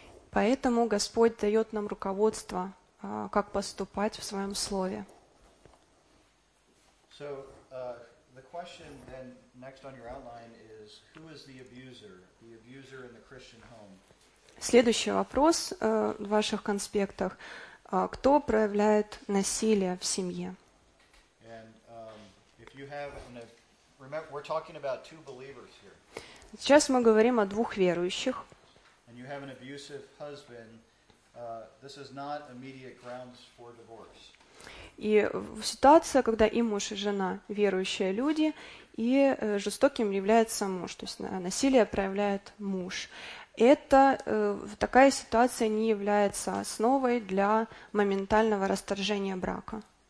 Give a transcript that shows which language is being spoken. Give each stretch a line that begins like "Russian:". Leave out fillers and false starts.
Russian: Поэтому Господь дает нам руководство, как поступать в Своем Слове.
English: So, the question then next on your outline is, who is the abuser? The abuser in the Christian home.
Russian: Следующий вопрос в ваших конспектах. Кто проявляет насилие в семье?
English: And, if you have an, remember, we're talking about two believers here.
Russian: Сейчас мы говорим о двух верующих.
English: And you have an abusive husband, this is not immediate grounds for divorce.
Russian: И ситуация, когда и муж, и жена верующие люди, и жестоким является муж, то есть насилие проявляет муж. Это такая ситуация не является основой для моментального расторжения брака.